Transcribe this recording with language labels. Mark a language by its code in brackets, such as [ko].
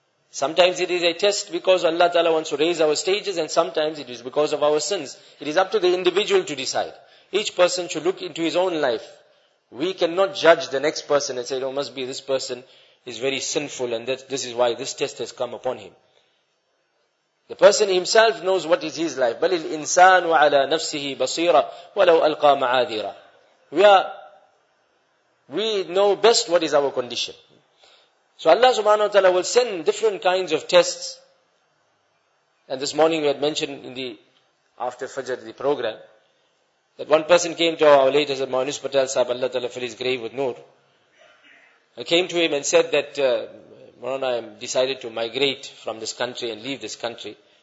[en] Sometimes it is a test because Allah ta'ala wants to raise our stages, and sometimes it is because of our sins. It is up to the individual to decide. Each person should look into his own life. We cannot judge the next person and say, oh, must be this person is very sinful and that this is why this test has come upon him. The person himself knows what is his life. [ar] بَلِ الْإِنسَانُ وَعَلَى نَفْسِهِ بَصِيرًا وَلَوْ أَلْقَى مَعَاذِيرًا [en] We know best what is our condition. So Allah subhanahu wa ta'ala will send different kinds of tests. And this morning we had mentioned in the after Fajr, the program, that one person came to our late Hazrat Maulana Yunus Patel Sahib, Allah ta'ala fill his grave with noor. I came to him and said that, Maulana, I have decided to migrate from this country and leave this country.